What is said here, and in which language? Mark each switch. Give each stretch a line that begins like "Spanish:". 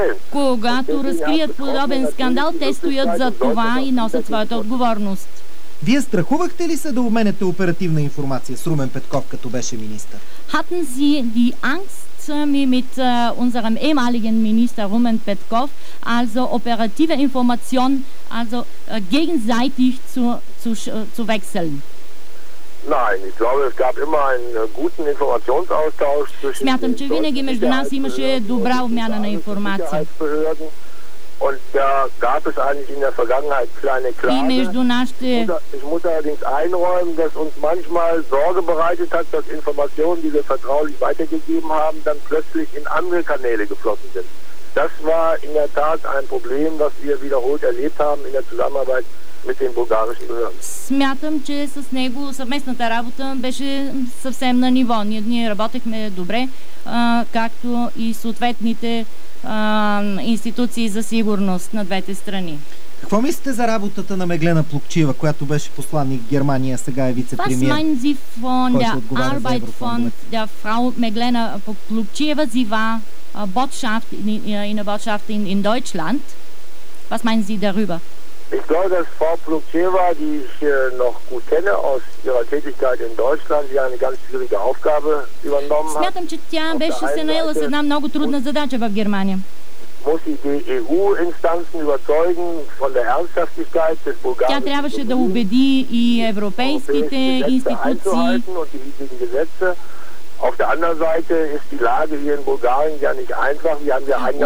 Bulgarian: Когато разкрият подобен скандал, те стоят за това и носят своята отговорност. Вие страхувахте ли се да обменяте оперативна информация с Румен Петков, като беше министър?
German: Hatten Sie die Angst mit unserem ehemaligen Minister Румен Петков, also operative Information, also gegenseitig zu wechseln? Nein, ich glaube, es gab immer einen guten Informationsaustausch zwischen
Bulgarian: Смятам, че винаги между нас имаше добра обмяна на информация.
German: Und da gab es eigentlich in der Vergangenheit kleine Klagen. Ich muss allerdings einräumen, dass uns manchmal Sorge bereitet hat, dass Informationen, die wir vertraulich weitergegeben haben, dann plötzlich in andere Kanäle geflossen sind. Das war in der Tat ein Problem, was wir wiederholt erlebt haben in der Zusammenarbeit mit den bulgarischen Behörden.
Bulgarian: Смятам, че с него съвместната работа беше съвсем на ниво. Ние работехме добре, както и съответните институции за сигурност на двете страни. Какво мислите за работата на Меглена Плукчиева, която беше посланник в Германия, сега е вице-премьер?
German: Was meinen Sie von der Arbeit von der Frau Meglena Plukčeva? Sie war Botschaft in der Botschaft in Deutschland. Was meinen Sie darüber? Ich glaube, dass Frau Plukčeva, die ich noch gut kenne aus ihrer Tätigkeit in Deutschland, die eine ganz schwierige Aufgabe übernommen hat.
Bulgarian: Смятам, че тя беше се наела с една много трудна задача в Германия.
German: Muss sie die EU-Instanzen überzeugen von der Ernsthaftigkeit des Bulgarien.
Bulgarian: Тя трябваше да убеди и европейските институции
German: und die wichtigen Gesetze. Auf der anderen Seite ist die Lage hier in Bulgarien ja nicht einfach. Wir haben ja eigentlich